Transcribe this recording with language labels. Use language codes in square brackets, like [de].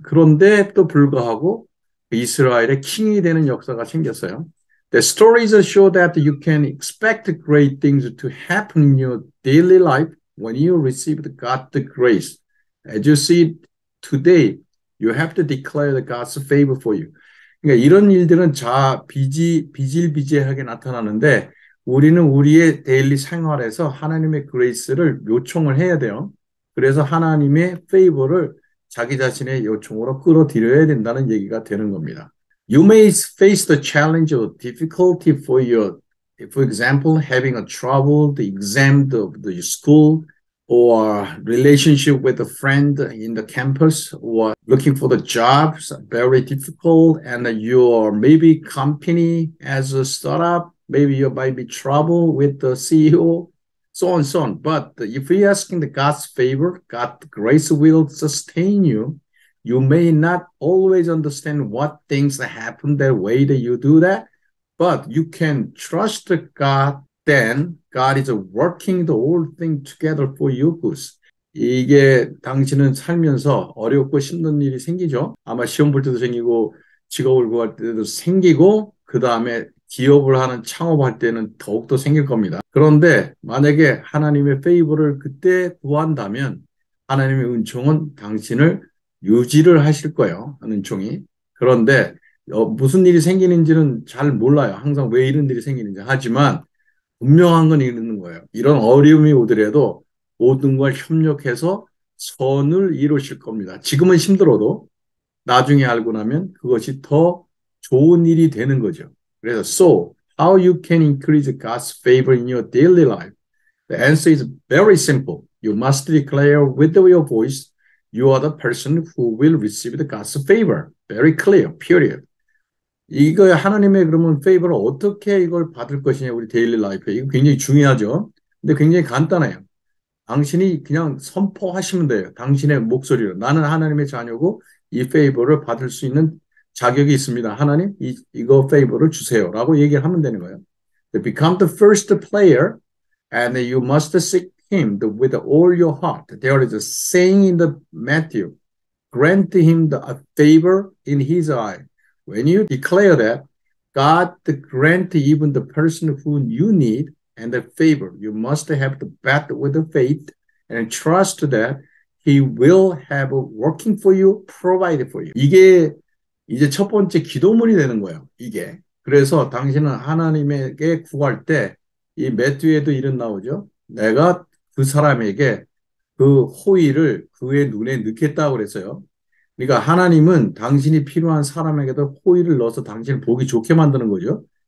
[ko] 그런데 또 불구하고 이스라엘의 킹이 되는 역사가 생겼어요. [en] The stories show that you can expect great things to happen in your daily life. When you receive the God's grace, as you see today, you have to declare the God's favor for you. [ko] 그러니까 이런 일들은 비질비재하게 나타나는데 우리는 우리의 데일리 생활에서 하나님의 그레이스를 요청을 해야 돼요. 그래서 하나님의 페이버를 자기 자신의 요청으로 끌어들여야 된다는 얘기가 되는 겁니다. [en] You may face the challenge or difficulty for example, having a troubled exam of the school. Or relationship with a friend in the campus, or looking for the jobs, very difficult. And your maybe company as a startup, maybe you might be trouble with the CEO, so on and so on. But if you're asking the God's favor, God's grace will sustain you. You may not always understand what things happen the way that you do that, but you can trust the God. Then God is working the whole thing together for your good. [ko] 이게 당신은 살면서 어렵고 힘든 일이 생기죠. 아마 시험 볼 때도 생기고 직업을 구할 때도 생기고, 그 다음에 기업을 하는 창업할 때는 더욱더 생길 겁니다. 그런데 만약에 하나님의 페이보를 그때 구한다면 하나님의 은총은 당신을 유지를 하실 거예요. 은총이. 그런데 무슨 일이 생기는지는 잘 몰라요. 항상 왜 이런 일이 생기는지. 하지만 분명한 건 있는 거예요. 이런 어려움이 오더라도 모든 걸 협력해서 선을 이루실 겁니다. 지금은 힘들어도 나중에 알고 나면 그것이 더 좋은 일이 되는 거죠. 그래서 [en] So, how you can increase God's favor in your daily life? The answer is very simple. You must declare with your voice, you are the person who will receive the God's favor. Very clear, period. [ko] 이거 하나님의 그러면 favor 어떻게 이걸 받을 것이냐, 우리 데일리 라이프에. 이거 굉장히 중요하죠. 근데 굉장히 간단해요. 당신이 그냥 선포하시면 돼요. 당신의 목소리로. 나는 하나님의 자녀고 이 favor를 받을 수 있는 자격이 있습니다. 하나님, 이거 favor를 주세요. 라고 얘기를 하면 되는 거예요. [en] Become the first player and you must seek him with all your heart. There is a saying in the Matthew. Grant him a favor in his eye. When you declare that, God grant even the person whom you need and the favor. You must have the bet with the faith and trust that he will have a working for you, provided for you. [ko] 이게 이제 첫 번째 기도문이 되는 거예요. 이게. 그래서 당신은 하나님에게 구할 때이 매튜에도 이런 나오죠. 내가 그 사람에게 그 호의를 그의 눈에 넣겠다고 그랬어요. 그러니까 하나님은 당신이 필요한 사람에게도 호의를 넣어서 당신을 보기 좋게 만드는 거죠.